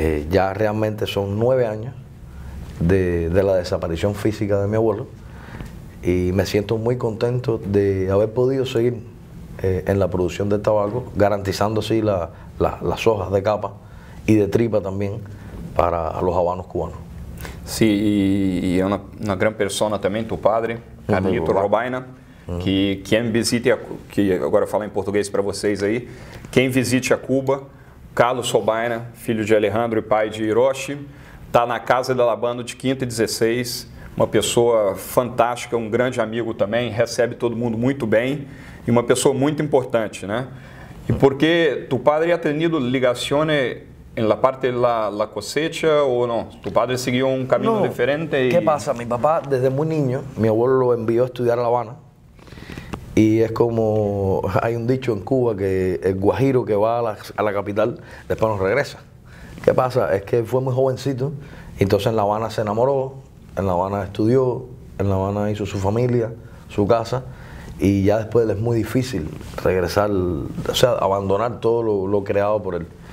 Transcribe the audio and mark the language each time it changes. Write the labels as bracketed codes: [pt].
[es] Ya realmente son 9 años de la desaparición física de mi abuelo y me siento muy contento de haber podido seguir en la producción de tabaco, garantizando así las hojas de capa y de tripa también para los habanos cubanos. Sí, y una gran persona también, tu padre, Carlito Robaina. Que quien visite, que ahora falo en portugués para ustedes ahí, quien visite a Cuba, [pt] Carlos Robaina, filho de Alejandro e pai de Hiroshi, está na casa da Labando de 5 e 16, uma pessoa fantástica, um grande amigo também, recebe todo mundo muito bem e uma pessoa muito importante, né? [es] E porque tu padre ha tenido ligações em la parte da la cosecha ou não? [pt] Tu padre seguiu um caminho [es] no. [pt] diferente? O que passa? [es] Meu papá, desde muito niño, meu abuelo lo envió a estudiar a La Habana. Y es como, hay un dicho en Cuba que el guajiro que va a la capital después no regresa. ¿Qué pasa? Es que fue muy jovencito, entonces en La Habana se enamoró, en La Habana estudió, en La Habana hizo su familia, su casa, y ya después es muy difícil regresar, o sea, abandonar todo lo creado por él.